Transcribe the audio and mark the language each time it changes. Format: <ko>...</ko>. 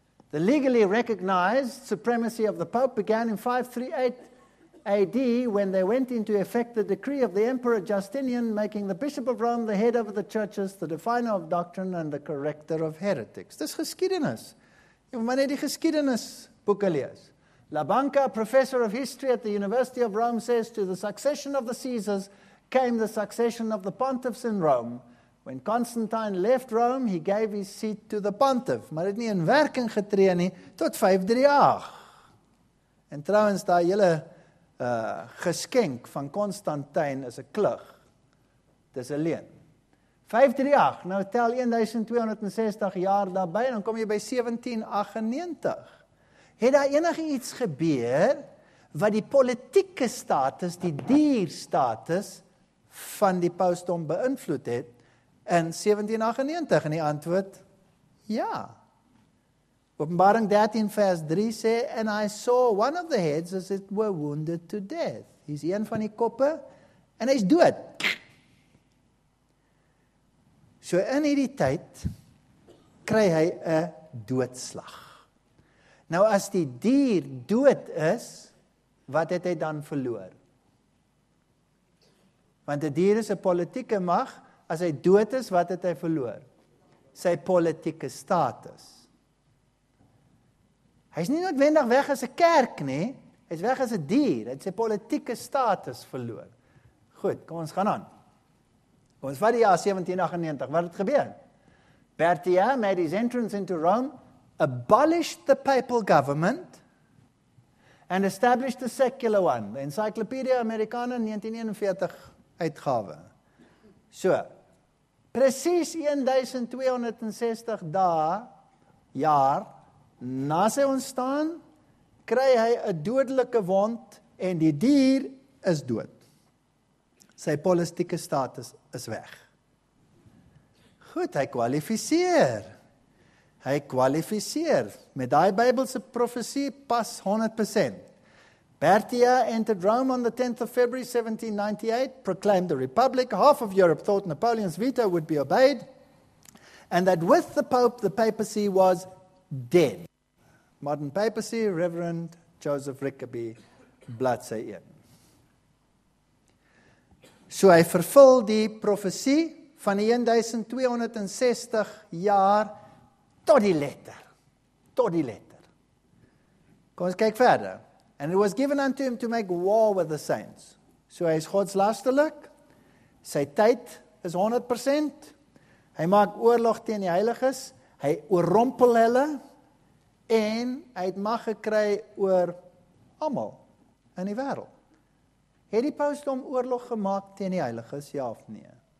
<en>The legally recognized supremacy of the Pope began in 538 AD when they went into effect the decree of the Emperor Justinian making the Bishop of Rome the head of the churches, the definer of doctrine and the corrector of heretics.</en> <af>Dis geskiedenis. Wanneer die geskiedenisboeke lees.</af> <en>La Banca, professor of history at the University of Rome, says to the succession of the Caesars came the succession of the pontiffs in Rome. When Constantine left Rome, he gave his seat to the pontiff.</en> <af>Maar het nie in werking getree nie, tot 538. En trouwens, daar hele geskenk van Constantine is 'n klug. Dis 'n leen. 538, nou tel 1260 jaar daarby, dan kom jy by 1798. Het daar enige iets gebeur, wat die politieke status, die dierstatus, van die pausdom beïnvloed het, en 1798 in die antwoord, ja. Openbaring 13 vers 3 sê,</af> <en>and I saw one of the heads as it were wounded to death.</en> <af>Hy's een van die koppe, en hy's dood. So in hierdie tyd, kry hy 'n doodslag. Nou as die dier dood is, wat het hy dan verloor? Want die dier is 'n politieke mag, as hy dood is, wat het hy verloor? Sy politieke status. Hy is nie noodwendig weg as 'n kerk nie, hy is weg as 'n dier, hy het sy politieke status verloor. Goed, kom ons gaan aan. Kom ons vat die jaar 1798, wat het gebeur?</af> <en>Bertia made his entrance into Rome, abolished the papal government, and established a secular one, the Encyclopedia Americana 1941 uitgawe.</en> <af>So, precies 1260 dae, jaar, na sy ontstaan, kry hy 'n dodelike wond en die dier is dood. Sy politieke status is weg. Goed, hy kwalifiseer. Hy kwalifiseer. Met daai Bybelse profesie pas 100%.</af> <en>Bertia entered Rome on the 10th of February 1798, proclaimed the Republic. Half of Europe thought Napoleon's veto would be obeyed, and that with the Pope, the papacy was dead. Modern papacy, Reverend Joseph Rickaby, bladsy 1.</en> <af>So hy vervul die profesie van die 1260 jaar tot die letter. Tot die letter. Kom ons kyk verder.</af> <en>And it was given unto him to make war with the saints.</en> <af>So hy is godslasterlik. Sy tyd is 100%. Hy maak oorlog teen die heiliges. Hy oorrompel hulle. En hy het mag gekry oor almal in die wêreld. Het die pausdom oorlog gemaak teen die heiliges, ja of nee?</af>